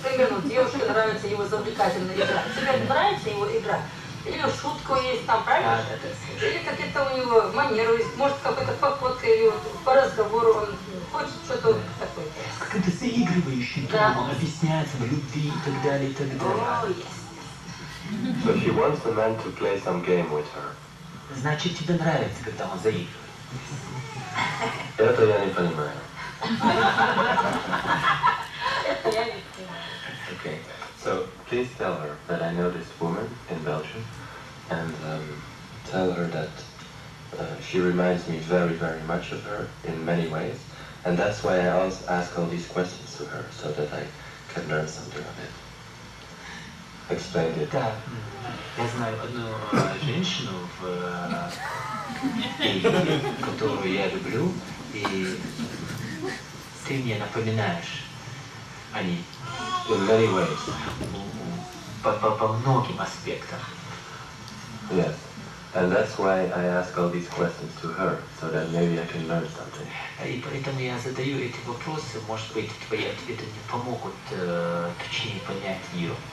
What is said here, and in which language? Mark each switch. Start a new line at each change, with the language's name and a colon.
Russian: Примерно девушке нравится его завлекательная игра. Тебе это нравится его игра? Или шутка есть там, правильно? Или какие-то у него манеры есть, может какой-то походка или вот, по разговору он хочет что-то такое. Как это заигрывающий дом, он объясняется в любви и так далее, и так далее.
English: So she wants the man to play some game with her.
Russian: Значит, тебе нравится, когда он заигрывает. Это я не понимаю.
English: Okay, so please tell her that I know this woman in Belgium, and tell her that she reminds me very, very much of her in many ways, and that's why I also ask all these questions to her, so that I can learn something of it. Explain it.
Russian: Я знаю одну женщину в Индии, которую я люблю, и ты мне напоминаешь о ней.
English: In many ways.
Russian: По многим аспектам.
English: Yes. And that's why I ask all these questions to her, so that maybe I can learn something.
Russian: И поэтому я задаю эти вопросы, может быть, твои ответы мне помогут точнее понять ее.